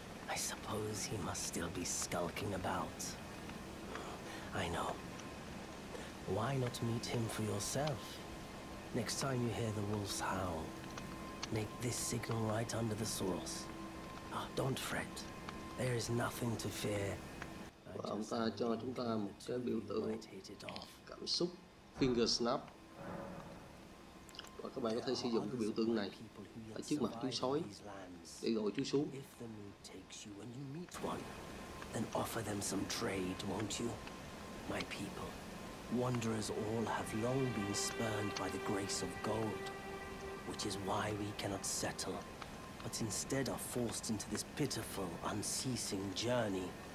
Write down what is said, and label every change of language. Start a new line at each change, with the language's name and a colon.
English: I suppose he must still be skulking about. I know. Why not meet him for yourself? Next time you hear the wolf's howl, make this signal right under the source. Oh, don't fret. There is nothing to fear.
Vietnamese: Và ông ta cho chúng ta một cái biểu tượng cảm xúc finger snap. Và các bạn có thể sử dụng cái biểu tượng này ở trước mặt chú sói để gọi chú xuống.
English: If the mood takes you and you meet one, then offer them some trade, won't you? My people, wanderers all have long been spurned by the grace of gold. Which is why we cannot settle, but instead are forced into this pitiful, unceasing journey.